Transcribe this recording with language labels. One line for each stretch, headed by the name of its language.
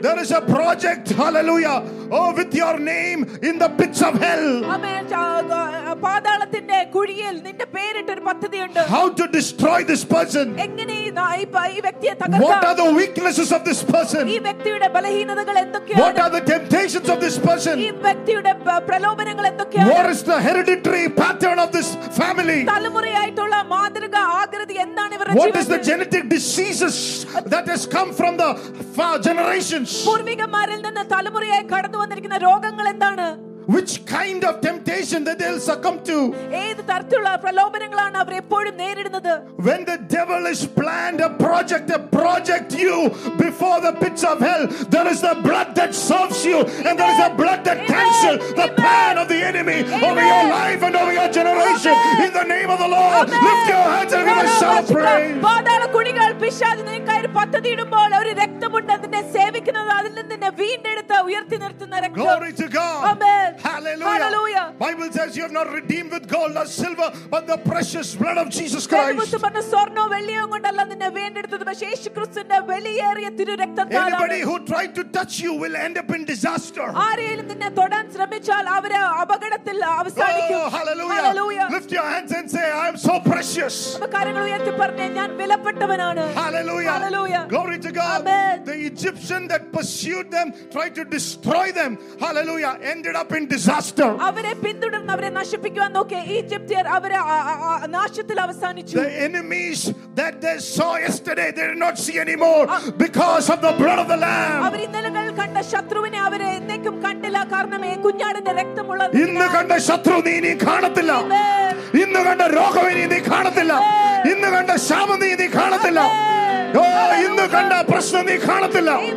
English: There is a project, hallelujah, oh, with your name in the pits of hell. Amen.
Malayalam: പാതാളത്തിന്റെ കുഴിയിൽ നിന്റെ പേരിട്ട ഒരു പദ്ധതി ഉണ്ട്.
English: How to destroy this person?
Malayalam: എങ്ങനെ ഈ വ്യക്തിയെ തകർക്കാം?
English: What are the weaknesses of this person?
Malayalam: ഈ വ്യക്തിയുടെ ബലഹീനതകൾ എന്തൊക്കെയാണ്?
English: What are the temptations of this person?
Malayalam: ഈ വ്യക്തിയുടെ പ്രലോഭനങ്ങൾ എന്തൊക്കെയാണ്?
English: What is the hereditary pattern of this family?
Malayalam: തലമുറയായിട്ടുള്ള മാതൃക ആകൃതി എന്താണ് ഇവരുടെ?
English: What is the genetic diseases that has come from the generations?
Malayalam: പൂർവികമാരിൽ നിന്ന് തലമുറയായി കടന്നു വന്നിരിക്കുന്ന രോഗങ്ങൾ എന്താണ്?
English: Which kind of temptation that they'll succumb to?
Malayalam: ഏതു തരത്തിലുള്ള പ്രലോഭനങ്ങളാണ് അവർ എപ്പോഴും നേരിടുന്നത്?
English: When the devil has planned a project you before the pits of hell, there is the blood that serves you, and there is the blood that cancels the plan of the enemy over your life and over your generation. In the name of the Lord, lift your hands and give a shout of praise.
Malayalam: പാതാള കുടികൾ പിശാചിന് കൈ പദ്ധതി ഇടുമ്പോൾ അവർ രക്തമുണ്ട് അതിനെ സേവിക്കുന്നത് അതിൽ നിന്ന് വീണ്ടെടുത്ത് ഉയർത്തി നിർത്തുന്ന രക്തം.
English: Glory to God. Amen. Hallelujah. Bible says you have not redeemed with gold or silver but the precious blood of Jesus Christ.
Malayalam: നമ്മുടെ സ്വർണ്ണോ വെള്ളിയോ കൊണ്ടല്ല നിന്നെ വീണ്ടെടുത്തത് പക്ഷേ യേശുക്രിസ്തുവിന്റെ വെളിയേറിയ തിരുരക്തത്താലാണ്.
English: Anybody who tried to touch you will end up in disaster.
Malayalam: ആരെങ്കിലും നിന്നെ തൊടാൻ ശ്രമിച്ചാൽ അവർ അപകടത്തിൽ അവസാനിക്കും.
English: Hallelujah. Lift your hands and say I am so precious.
Malayalam: കാര്യങ്ങൾ ഉയർത്തി പറഞ്ഞു ഞാൻ വിലപ്പെട്ടവനാണ്.
English: Hallelujah. Hallelujah. Glory to God. Amen. The Egyptian that pursued them tried to destroy them. Hallelujah. Ended up in disaster.
Malayalam: അവരെ പിന്തുടർന്ന് അവരെ നശിപ്പിക്കാൻ നോക്കി ഈജിപ്തിയർ അവരെ നാശത്തിൽ അവസാനിച്ചു.
English: The enemies that they saw yesterday they did not see anymore because of the blood of the Lamb.
Malayalam: അവർ ഇന്നലെ കണ്ട ശത്രുവിനെ അവർ എന്നേക്കും കണ്ടില്ല കാരണം ഈ കുഞ്ഞാടിന്റെ രക്തമുള്ള ഇന്നു കണ്ട ശത്രു നീ കാണത്തില്ല. ഇന്നു കണ്ട രോഗവിനെ നീ കാണത്തില്ല. ഇന്നു കണ്ട ശാമം നീ കാണത്തില്ല. ഇന്നു കണ്ട പ്രശ്നം നീ കാണത്തില്ല.